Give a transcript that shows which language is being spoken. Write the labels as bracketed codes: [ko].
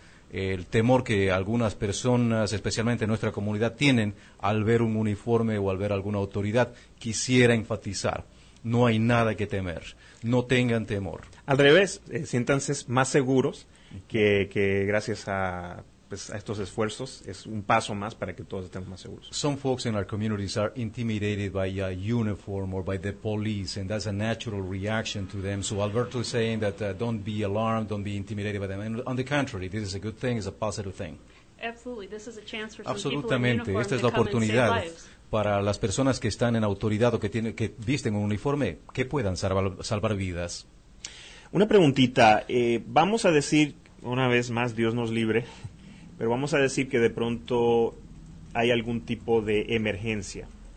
[es] el temor que algunas personas, especialmente en nuestra comunidad, tienen al ver un uniforme o al ver alguna autoridad, quisiera enfatizar, no hay nada que temer, no tengan temor. Al revés, siéntanse más seguros que gracias a estos esfuerzos, es un paso más para que todos estemos más seguros. [en] Some folks in our communities are intimidated by a uniform or by the police, and that's a natural reaction to them. So Alberto is saying that don't be alarmed, don't be intimidated by them. And on the contrary, this is a good thing, it's a positive thing. Absolutely, this is a chance for some people in uniform to come and save lives. [es] Esta es la oportunidad para las personas que están en autoridad o que tienen, que visten un uniforme, que puedan salvar vidas. Una preguntita, vamos a decir, una vez más, Dios nos libre, pero vamos a decir que de pronto hay algún tipo de emergencia.